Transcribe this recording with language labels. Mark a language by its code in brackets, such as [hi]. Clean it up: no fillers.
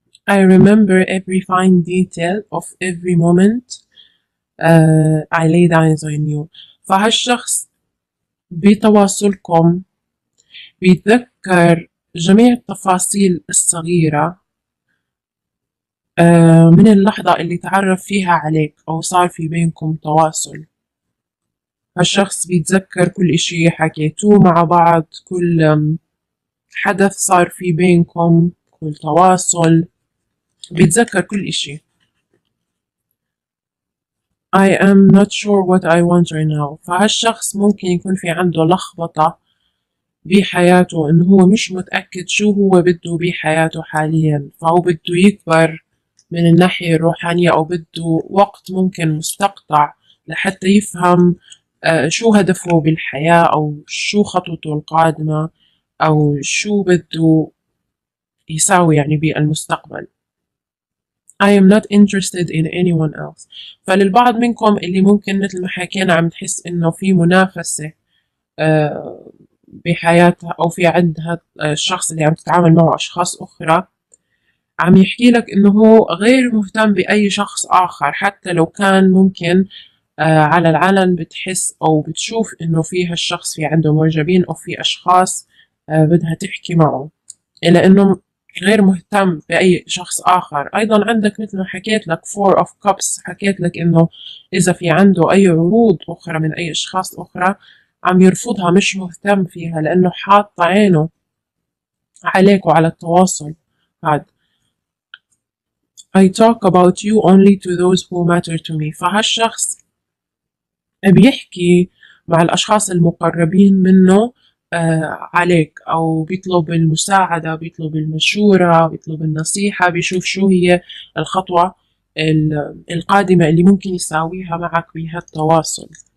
[en] I remember every fine detail of every moment I laid eyes on you. [ar] فهالشخص بتواصلكم بيتذكر جميع التفاصيل الصغيرة من اللحظة اللي تعرف فيها عليك أو صار في بينكم تواصل. هالشخص بيتذكر كل إشي حكيتوه مع بعض، كل حدث صار في بينكم، كل تواصل، بيتذكر كل إشي. [en] I am not sure what I want right now. [ar] فهالشخص ممكن يكون في عنده لخبطة بحياته، إنه هو مش متأكد شو هو بده بحياته حاليا، فهو بده يكبر من الناحية الروحانية أو بده وقت ممكن مستقطع لحتى يفهم شو هدفه بالحياة أو شو خطوته القادمة أو شو بده يساوي يعني بالمستقبل. [en] I am not interested in anyone else. [ar] فللبعض منكم اللي ممكن مثل ما حكينا عم تحس انه في منافسة بحياتها او في عندها الشخص اللي عم تتعامل معه اشخاص اخرى، عم يحكي لك انه هو غير مهتم باي شخص اخر، حتى لو كان ممكن على العلن بتحس او بتشوف انه في هالشخص في عنده معجبين او في اشخاص بدها تحكي معه، الا انه غير مهتم بأي شخص آخر. أيضا عندك مثل ما حكيت لك Four of Cups، حكيت لك إنه إذا في عنده أي عروض أخرى من أي أشخاص أخرى عم يرفضها، مش مهتم فيها لأنه حاط عينه عليك وعلى التواصل. [en] بعد I talk about you only to those who matter to me. [ar] فهالشخص بيحكي مع الأشخاص المقربين منه عليك، أو بيطلب المساعدة، بيطلب المشورة، بيطلب النصيحة، بيشوف شو هي الخطوة القادمة اللي ممكن يساويها معك بهالتواصل.